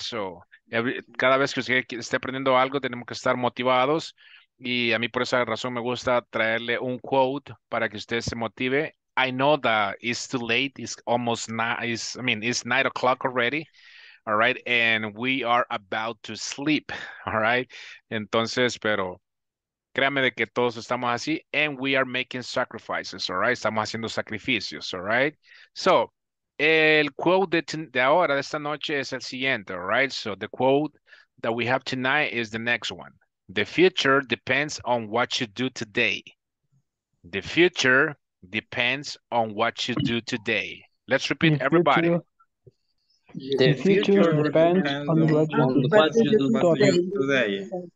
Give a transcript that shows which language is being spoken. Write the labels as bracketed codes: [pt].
[es] So, cada vez que usted esté aprendiendo algo, tenemos que estar motivados. Y a mí por esa razón me gusta traerle un quote para que usted se motive. [en] I know that it's too late. It's almost not, it's, I mean, it's 9 o'clock already. All right. And we are about to sleep. All right. [es] Entonces, pero créame de que todos estamos así. [en] And we are making sacrifices. All right. [es] Estamos haciendo sacrificios. [en] All right. [es] So, el quote de ahora, de esta noche, es el siguiente. [en] All right. So, the quote that we have tonight is the next one. The future depends on what you do today. The future depends on what you do today. Let's repeat, everybody. The future depends on what you do today.